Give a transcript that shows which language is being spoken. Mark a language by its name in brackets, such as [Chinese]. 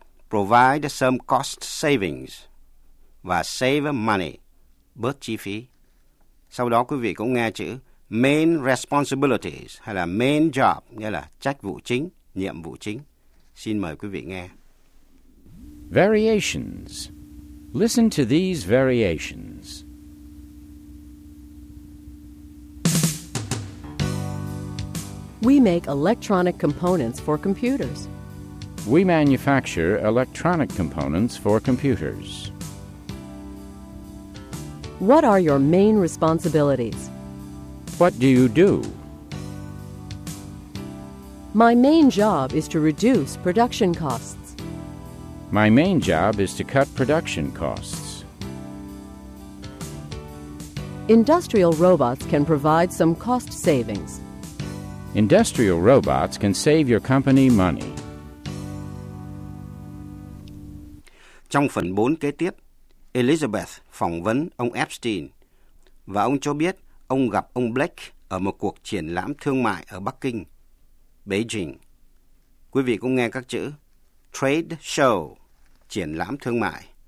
[English] Provide some cost savings và save money, [Vietnamese] bớt chi phí. Sau đó quý vị cũng nghe chữ main responsibilities hay là main job, nghĩa là trách vụ chính, nhiệm vụ chính. Xin mời quý vị nghe. [English] Variations. Listen to these variations. We make electronic components for computers. We manufacture electronic components for computers. What are your main responsibilities? What do you do? My main job is to reduce production costs. My main job is to cut production costs. Industrial robots can provide some cost savings. Industrial robots can save your company money. [Vietnamese] Trong phần 4 kế tiếp, Elizabeth phỏng vấn ông Epstein và ông cho biết ông gặp ông Blake ở một cuộc triển lãm thương mại ở Bắc Kinh, Beijing. Quý vị cũng nghe các chữ trade show, triển lãm thương mại.